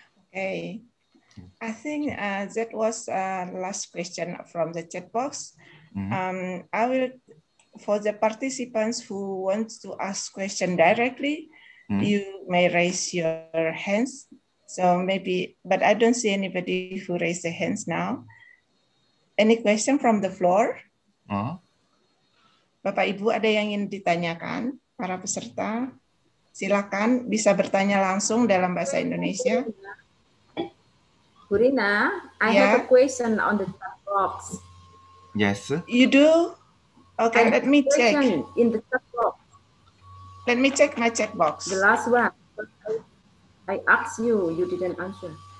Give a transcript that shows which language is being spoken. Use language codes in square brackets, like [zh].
[en] Okay, I think that was last question from the chat box. Mm-hmm. I will, for the participants who want to ask question directly. You may raise your hands, so maybe, but I don't see anybody who raised their hands now. Any question from the floor? [id] Bapak Ibu, ada yang ingin ditanyakan? Para peserta, silakan bisa bertanya langsung dalam bahasa Indonesia. [en] Burina, I have a question on the chat box. Yes. You do? Okay, let me check. In the chat box. Let me check my chat box. The last one. I asked you, you didn't answer.